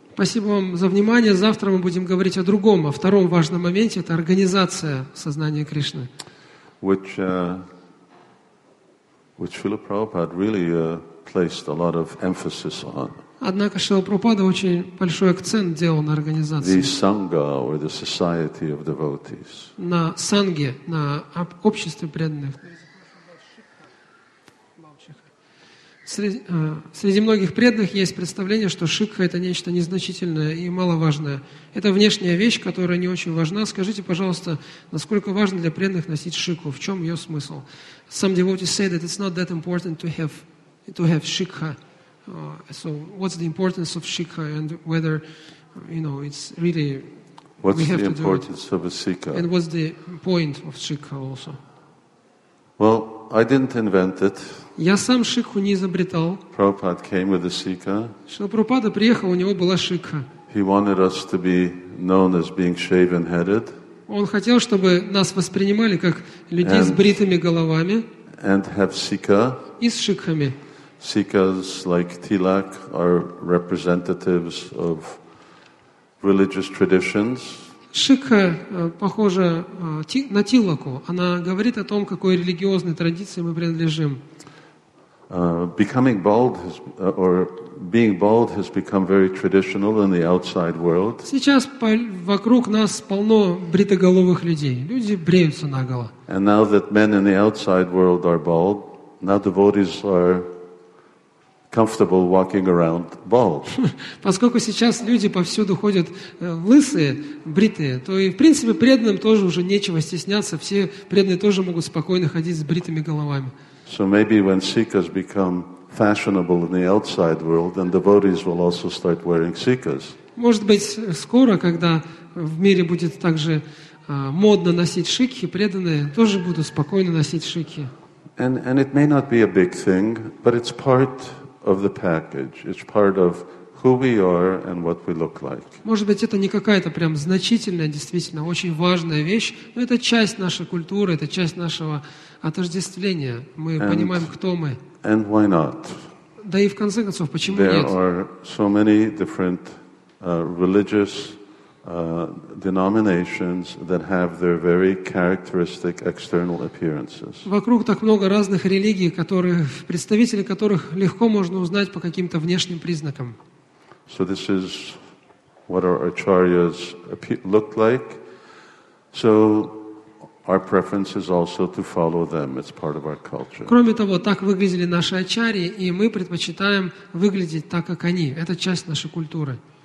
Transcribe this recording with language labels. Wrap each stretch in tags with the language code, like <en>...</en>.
<ru>Спасибо вам за внимание. Завтра мы будем говорить о другом, о втором важном моменте. Это организация сознания Кришны.</ru> <en>Which Srila Prabhupada really placed a lot of emphasis on.</en> <ru>Однако Шрила Прабхупада очень большой акцент делал на организации.</ru> <en>The Sangha or the Society of Devotees.</en> <ru>На Санге, на обществе преданных. Среди многих преданных есть представление, что шикха – это нечто незначительное и маловажное. Это внешняя вещь, которая не очень важна. Скажите, пожалуйста, насколько важно для преданных носить шикху? В чем ее смысл?</ru> <en>Some devotees say that it's not that important to have шикха. So what's the importance of шикха and whether, you know, it's really, what's we have to do it? What's the importance of a шикха? And what's the point of шикха also? Well, I didn't invent it.</en> <ru>Я сам шикху не изобретал.</ru> <en>Prabhupada came with a sikha.</en> <ru>Шрила Прабхупада приехал, у него была шикха.</ru> <en>He wanted us to be known as being shaven-headed.</en> <ru>Он хотел, чтобы нас воспринимали как людей с бритыми головами.</ru> <en>And have sikha.</en> <ru>И с шикхами.</ru> <en>Sikhas like tilak are representatives of religious traditions.</en> <ru>Шикха похожа на тилаку. Она говорит о том, какой религиозной традиции мы принадлежим.</ru> <en>Becoming bald has, or being bald has become very traditional in the outside world.</en> <ru>Сейчас вокруг нас полно бритоголовых людей. Люди бреются наголо.</ru> <en>And now that men in the outside world are bald, now devotees are comfortable walking around bald.</en> <ru>Поскольку сейчас люди повсюду ходят лысые, бритые, то и в принципе преданным тоже уже нечего стесняться. Все преданные тоже могут спокойно ходить с бритыми головами.</ru> <en>So maybe when sikhas become fashionable in the outside world, then devotees will also start wearing sikhas.</en> <ru>Может быть, скоро, когда в мире будет также модно носить шикхи, преданные тоже будут спокойно носить шикхи.</ru> <en>And it may not be a big thing, but it's part of the package. It's part of who we are and what we look like.</en> <ru>Может быть, это не какая-то прям значительная, действительно очень важная вещь, но это часть нашей культуры, это часть нашего отождествления. Мы понимаем, кто мы.</ru> <en>And why not?</en> <ru>Да и в конце концов, почему</ru> <en>there</en> <ru>нет?</ru> <en>There are so many different religious denominations that have their very characteristic external appearances.</en> <ru>Вокруг так много разных религий, представители которых легко можно узнать по каким-то внешним признакам.</ru> <en>So this is what our acharyas looked like. So our preference is also to follow them. It's part of our culture.</en> <ru>Кроме того, так выглядели наши ачарьи, и мы предпочитаем выглядеть так, как они. Это часть нашей культуры.</ru>